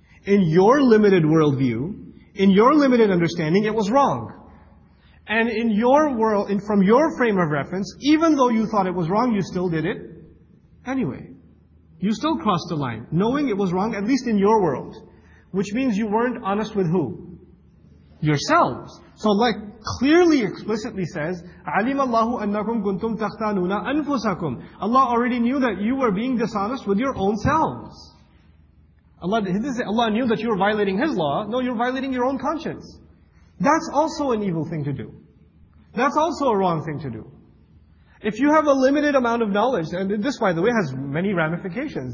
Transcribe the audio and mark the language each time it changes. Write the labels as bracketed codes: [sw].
[en] In your limited worldview, in your limited understanding, it was wrong. And in your world, and from your frame of reference, even though you thought it was wrong, you still did it anyway. You still crossed the line, knowing it was wrong, at least in your world. Which means you weren't honest with who? Yourselves. [ar] So Allah clearly, explicitly says, عَلِمَ اللَّهُ أَنَّكُمْ كُنْتُمْ تَخْتَانُونَ أَنفُسَكُمْ. [en] Allah already knew that you were being dishonest with your own selves. Allah knew that you were violating His law. No, you're violating your own conscience. That's also an evil thing to do. That's also a wrong thing to do. If you have a limited amount of knowledge, and this, by the way, has many ramifications.